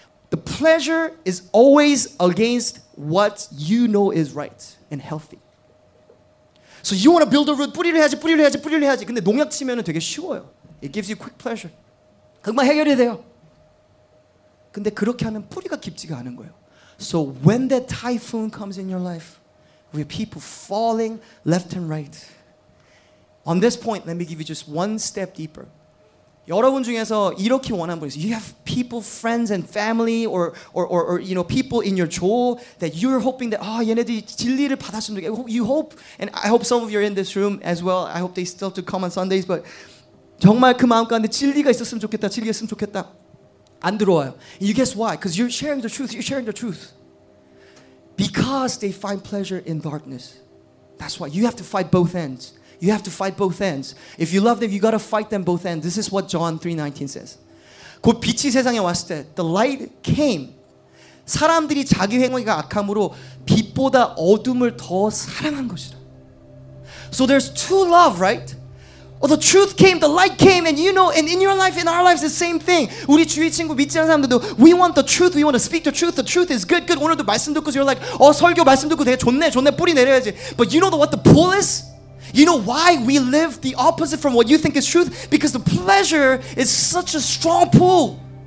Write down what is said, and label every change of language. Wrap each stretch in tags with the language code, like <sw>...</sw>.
<en>The pleasure is always against what you know is right and healthy. So you want to build a root,</en> <ko>뿌리를 해야지, 뿌리를 해야지, 뿌리를 해야지. 근데 농약 치면 되게 쉬워요.</ko> <en>It gives you quick pleasure.</en> <ko>금방 해결이 돼요. 근데 그렇게 하면 뿌리가 깊지가 않은 거예요.</ko> <en>So when that typhoon comes in your life, with people falling left and right, on this point, let me give you just one step deeper.</en> <ko>여러분 중에서 이렇게 원하는 분 있어요.</ko> <en>You have people, friends and family or you know, people in your 조 that you're hoping that</en> <ko>아, 얘네들이 진리를 받았으면 좋겠어요.</ko> <en>You hope, and I hope some of you are in this room as well. I hope they still to come on Sundays, but</en> <ko>정말 그 마음 가운데 진리가 있었으면 좋겠다. 진리였으면 좋겠다. 안 들어와요.</ko> <en>You guess why? Because you're sharing the truth. You're sharing the truth. Because they find pleasure in darkness. That's why you have to fight both ends. You have to fight both ends. If you love them, you got to fight them both ends. This is what John 3:19 says.</en> <ko>곧 빛이 세상에 왔을 때,</ko> <en>the light came.</en> <ko>사람들이 자기 행위가 악함으로 빛보다 어둠을 더 사랑한 것이라.</ko> <en>So there's two love, right? Oh, the truth came, the light came, and you know, and in your life, in our lives, the same thing.</en> <ko>우리 주위 친구, 믿지 않는 사람들도,</ko> <en>we want the truth, we want to speak the truth, the truth is good, good.</en> <ko>오늘도 말씀 듣고,</ko> <en>you're like,</en> <ko>어, 설교 말씀 듣고 되게 좋네, 좋네, 뿌리 내려야지.</ko> <en>But you know what the pull is? You know why we live the opposite from what you think is truth? Because the pleasure is such a strong pull.</en>